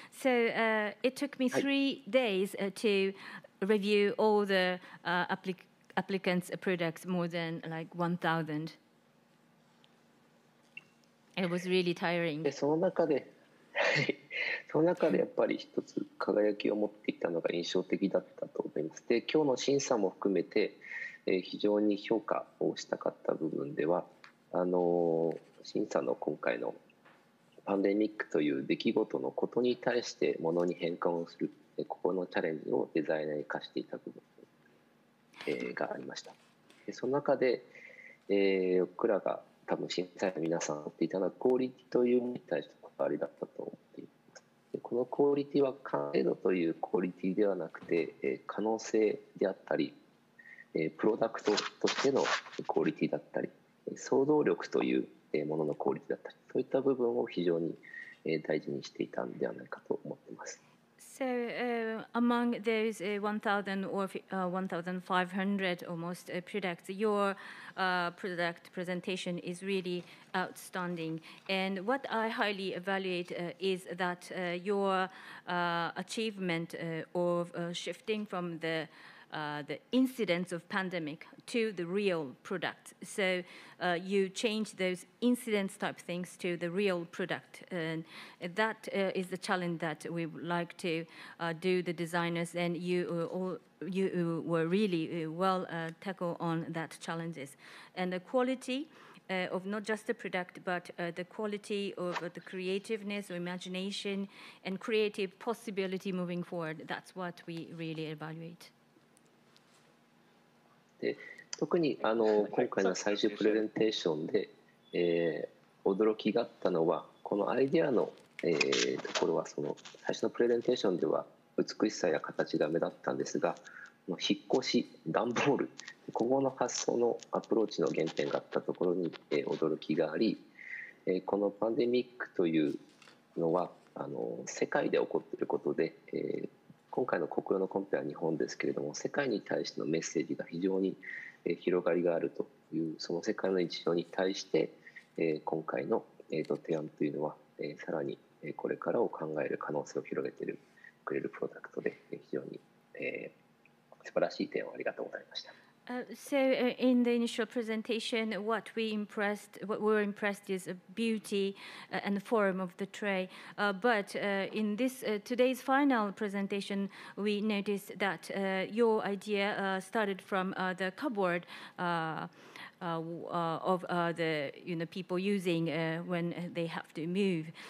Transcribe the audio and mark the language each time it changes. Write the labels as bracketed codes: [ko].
[en] So it took me three days to review all the applicants' products more than like 1,000. It was really tiring. [ja] その中で、その中でやっぱり一つ輝きを持っていたのが印象的だったと思います。で、今日の審査も含めて、非常に評価をしたかった部分では、審査の今回のパンデミックという出来事のことに対してものに変換をする、ここのチャレンジをデザイナーに課していた部分。がありました。でその中で、僕らが多分審査員の皆さんが持っていたのはクオリティというものに対してのこだわりだったと思っています。でこのクオリティは完成度というクオリティではなくて、可能性であったり、プロダクトとしてのクオリティだったり、想像力というもののクオリティだったり、そういった部分を非常に大事にしていたのではないかと思っています。 [en] So among those 1,000 or 1,500 almost products, your product presentation is really outstanding. And what I highly evaluate is that your achievement of shifting from the incidence of pandemic to the real product. So you change those incidence type things to the real product. And that is the challenge that we would like to do the designers, and you were really well tackle on that challenges. And the quality of not just the product, but the quality of the creativeness or imagination and creative possibility moving forward, that's what we really evaluate. [ja] で特に今回の最終プレゼンテーションで、驚きがあったのはこのアイデアの、ところはその最初のプレゼンテーションでは美しさや形が目立ったんですが、引っ越し、段ボール、ここの発想のアプローチの原点があったところに、驚きがあり、このパンデミックというのは世界で起こっていることで、今回の国用のコンペは日本ですけれども、世界に対してのメッセージが非常に広がりがあるという、その世界の日常に対して今回の提案というのはさらにこれからを考える可能性を広げてくれるプロダクトで、非常に素晴らしい提案をありがとうございました。 [en] So in the initial presentation, what we were impressed is beauty and the form of the tray. But in this today's final presentation, we noticed that your idea started from the cupboard of the people using when they have to move.